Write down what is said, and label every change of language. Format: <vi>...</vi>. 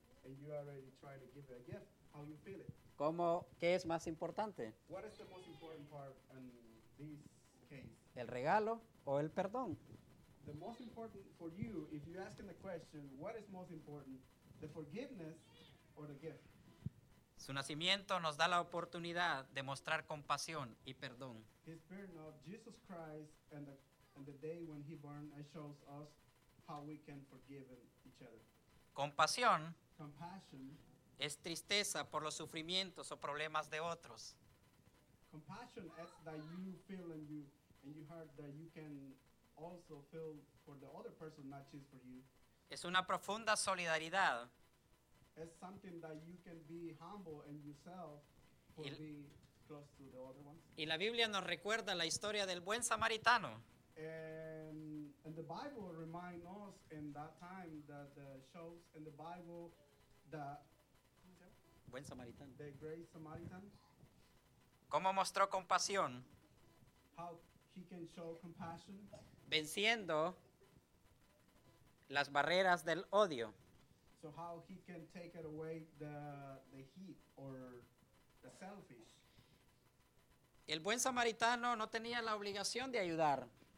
<en>And you already try to give it a gift. How you feel it?</en> <es>¿Cómo, qué es más importante?</es> <en>What is the most important part in this case?</en> <es>¿El regalo o el perdón?</es> <en>The most important for you, if you're asking the question, what is most important, the forgiveness or the gift?</en> <es>Su nacimiento nos da la oportunidad de mostrar compasión y perdón.</es> <en>His birth of Jesus Christ and the day when he born, it shows us how we can forgive each other.</en> <es>Compasión.</es> <en>Compassion</en> <es>es tristeza por los sufrimientos o problemas de otros.</es> <en>Compassion is that you feel and you heard that you can also feel for the other person, not just for you.</en> <es>Es una profunda solidaridad.</es> <en>It's something that you can be humble in yourself for being close to the other ones.</en> <es>Y la Biblia nos recuerda la historia del buen samaritano.</es> <en>And the Bible reminds us in that time that the shows in the Bible that buen Samaritan. The great Samaritan.</en> <es>¿Cómo mostró compasión?</es> <en>How he can show compassion.</en> <es>Venciendo las barreras del odio.</es> <en>So how he can take it away the heat or the selfish.</en> <es>El buen samaritano no tenía la obligación de ayudar.</es>